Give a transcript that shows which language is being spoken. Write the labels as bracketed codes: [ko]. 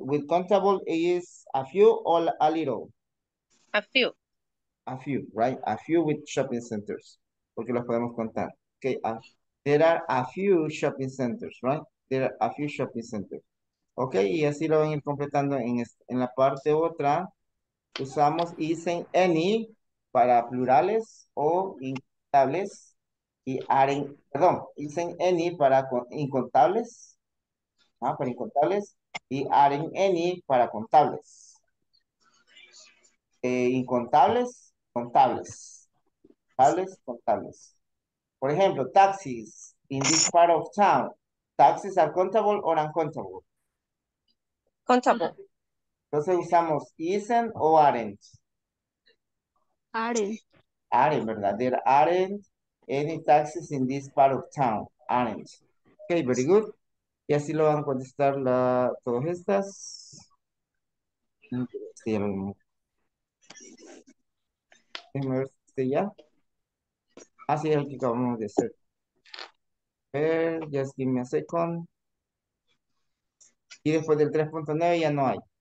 [en] With countable is a few or a little? A few. A few, right? A few with shopping centers. [es] Porque los podemos contar. [en] Okay, there are a few shopping centers, right? There are a few shopping centers. [es] Okay, y así lo van a ir completando en la parte otra. Usamos [en] is and any [es] para plurales o incontables. [en] Y are in, [es] perdón, [en] is and any [es] para incontables. Ah, para incontables. Y [en] are in any [es] para contables. Incontables, contables. Contables, contables. [en] For example, taxis in this part of town. Taxis are countable or uncountable? Countable. [es] Entonces usamos [en] isn't or aren't? Aren't, [es] ¿verdad? [en] There aren't any taxis in this part of town. Aren't. Okay, very good. [es] Y así lo van a contestar todas estas. Sí, ya lo mismo. Déjame ver si ya. Así es el que acabamos de hacer. [en] Just give me a second. [es] Y después del 3.9 ya no hay.